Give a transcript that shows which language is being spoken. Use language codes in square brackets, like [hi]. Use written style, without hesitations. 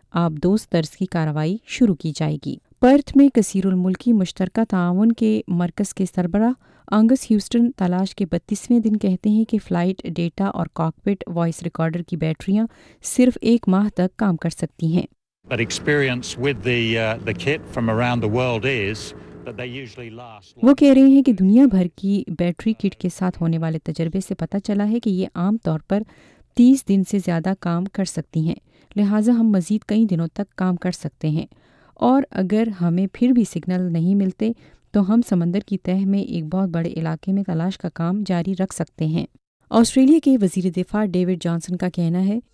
[ur] آبدوز طرز کی کارروائی شروع کی جائے گی۔ پرتھ میں کثیر الملکی مشترکہ تعاون کے مرکز کے سربراہ آنگس ہیوسٹن تلاش کے 32ویں دن کہتے ہیں کہ فلائٹ ڈیٹا اور کاکپٹ وائس ریکارڈر کی بیٹریاں صرف ایک ماہ تک کام کر سکتی ہیں۔ [en] But experience with the kit from around the world is that they usually last. [ur] وہ کہہ رہے ہیں کہ دنیا بھر کی بیٹری کٹ کے ساتھ ہونے والے تجربے سے پتہ چلا ہے کہ یہ عام طور پر 30 دن سے زیادہ کام کر سکتی ہیں، لہٰذا ہم مزید کئی دنوں تک کام کر سکتے ہیں، اور اگر ہمیں پھر بھی سگنل نہیں ملتے تو ہم سمندر کی تہہ میں ایک بہت بڑے علاقے میں تلاش کا کام جاری رکھ سکتے ہیں۔ آسٹریلیا کے وزیر دفاع ڈیوڈ جانسن کا کہنا ہے،